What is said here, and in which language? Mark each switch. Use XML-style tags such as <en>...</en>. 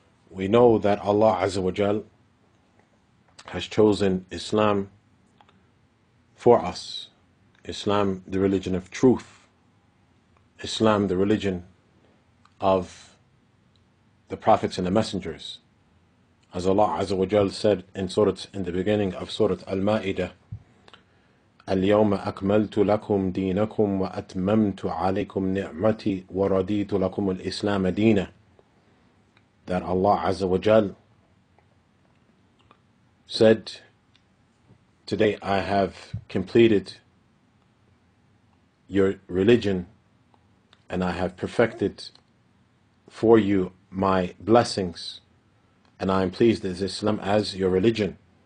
<en>We know that Allah Azza wa Jal has chosen Islam for us. Islam, the religion of truth. Islam, the religion of the prophets and the messengers. As Allah Azza wa Jal said in the beginning of Surah Al-Ma'idah,</en> <ar>اليوم أكملت لكم دينكم وأتممت عليكم نعمتي ورديت لكم الإسلام دينا.</ar> <en>That Allah Azza wa Jal said, today I have completed your religion and I have perfected for you my blessings and I am pleased as Islam as your religion.</en>